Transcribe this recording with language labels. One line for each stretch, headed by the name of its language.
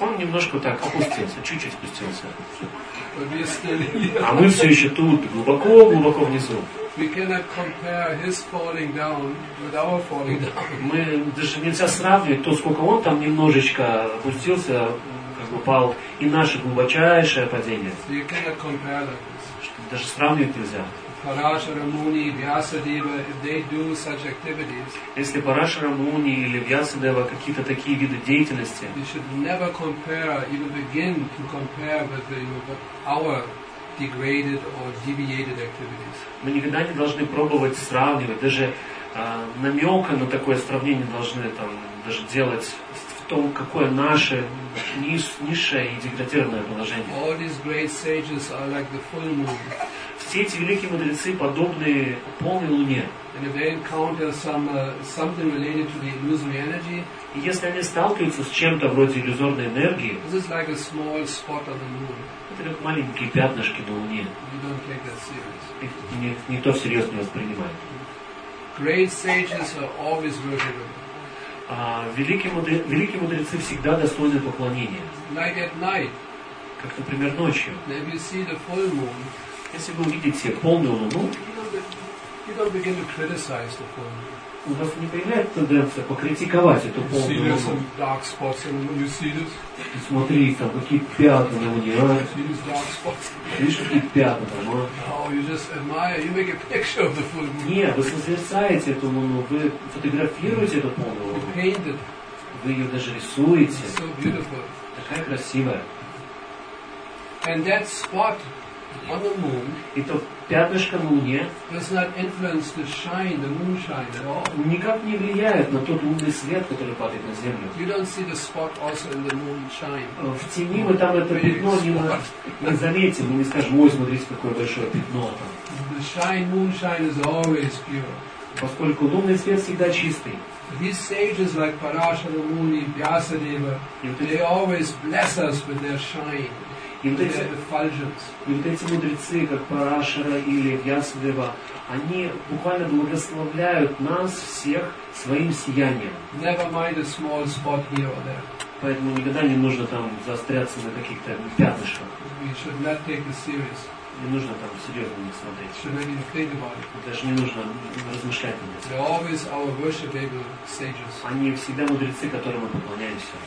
Russian: Он немножко так опустился, чуть-чуть спустился.
English: But we are still here.
Russian: А мы все еще тут, глубоко-глубоко внизу.
English: We cannot compare his falling down with our falling down.
Russian: Мы даже нельзя сравнивать то, сколько он там немножечко опустился, как бы упал, и наше глубочайшее падение.
English: You cannot compare like this.
Russian: Что, даже сравнивать нельзя.
English: Parashara Muni, Vyasadeva, if they do such activities,
Russian: если Парашара Муни или Вьясадева какие-то такие виды деятельности,
English: we should never compare, even begin to compare with our degraded or deviated activities.
Russian: Мы никогда не должны пробовать сравнивать, даже намека на такое сравнение должны там даже делать в том, какое наше низшее и деградированное положение.
English: All these great sages are like the full moon.
Russian: Все эти великие мудрецы подобны полной луне.
English: And if they encounter something related to the illusory energy,
Russian: и если они сталкиваются с чем-то вроде иллюзорной энергии,
English: this is like a small spot on the moon.
Russian: Это как маленькие пятнышки на луне.
English: You don't take that serious.
Russian: Их никто всерьез не воспринимает.
English: Great sages are always worshipable.
Russian: Великие мудрецы всегда достойны поклонения.
English: Like at night.
Russian: Как, например, ночью.
English: If you see the full moon,
Russian: если вы увидите полную луну,
English: you don't begin to criticize the poem.
Russian: У вас не появляется тенденция покритиковать эту полную луну.
English: You see some dark spots in it. You see this?
Russian: И смотри, там какие пятна на луне, а?
English: You see dark spots.
Russian: Видишь, какие пятна там, а?
English: No, you just admire, you make a picture of the full moon.
Russian: Нет, вы созерцаете эту луну, вы фотографируете эту полную луну.
English: You paint it.
Russian: Вы ее даже рисуете.
English: It's so beautiful.
Russian: Такая красивая.
English: And that spot on the moon,
Russian: и то пятнышко на луне,
English: does not influence the shine, the moonshine at all.
Russian: Никак не влияет на тот лунный свет, который падает на землю.
English: You don't see the spot also in the moonshine.
Russian: В тени мы там это пятно не заметим, мы не скажем, ой, смотрите, какое большое пятно там.
English: The shine, moonshine is always pure.
Russian: Поскольку лунный свет всегда чистый.
English: These sages like Parashara Muni, Vyasadeva, they always bless us with their shine.
Russian: И вот эти мудрецы, как Парашара или Вьясадева, они буквально благословляют нас всех своим сиянием.
English: Never mind a small spot here or there.
Russian: Поэтому никогда не нужно там заостряться на каких-то пятнышках.
English: We should not take it serious.
Russian: Не нужно там серьезно не смотреть.
English: Should not even think about it.
Russian: Даже не нужно размышлять на них.
English: They're always our worshipable sages.
Russian: Они всегда мудрецы, которым мы поклоняемся.